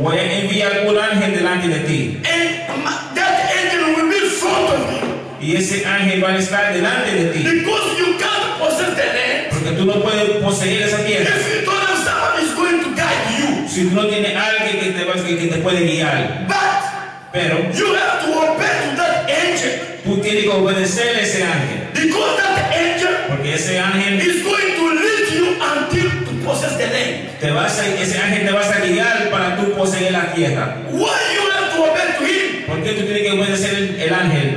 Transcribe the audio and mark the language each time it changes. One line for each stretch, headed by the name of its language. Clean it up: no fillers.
Spanish: Voy a enviar un ángel delante de ti.
English: And that angel will be in front of you.
Spanish: Y ese ángel va a estar delante de ti.
English: Because you can't possess the land.
Spanish: Porque tú no puedes poseer esa tierra.
English: If you don't have someone is going to guide you.
Spanish: Si tú no tienes alguien que te puede guiar.
English: But
Spanish: pero
English: you have to obey to that angel.
Spanish: Tú tienes que obedecer a ese ángel.
English: Because that angel.
Spanish: Porque ese ángel
English: is going to lead you until to possess the land.
Spanish: Te vas a, ese ángel te va a guiar para tú poseer la tierra.
English: Why you have to obey to him?
Spanish: ¿Por qué tú tienes que obedecer el ángel?